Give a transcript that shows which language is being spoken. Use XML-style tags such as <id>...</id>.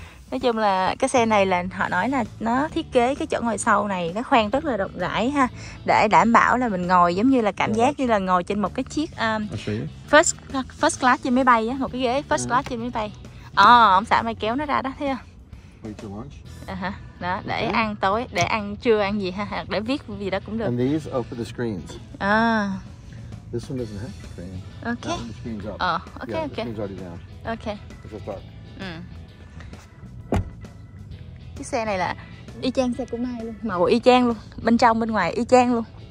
<vi>Nói chung là cái xe này là họ nói là nó thiết kế cái chỗ ngồi sau này nó khoang rất là rộng rãi ha, để đảm bảo là mình ngồi giống như là cảm giác như là ngồi trên một cái chiếc first class trên máy bay á, một cái ghế first class trên máy bay. Ông xã mày kéo nó ra đó, thấy không? Đó, để ăn tối, để ăn trưa, ăn gì ha, hoặc để viết gì đó cũng được.</vi> <en>And these open the screens. This one doesn't have screen. Okay. No, the screen's up. Okay. The screen's already down. Okay. It's a start.</en> <vi>Cái xe này là y chang xe của Mai luôn, màu y chang luôn, bên trong bên ngoài y chang luôn.</vi>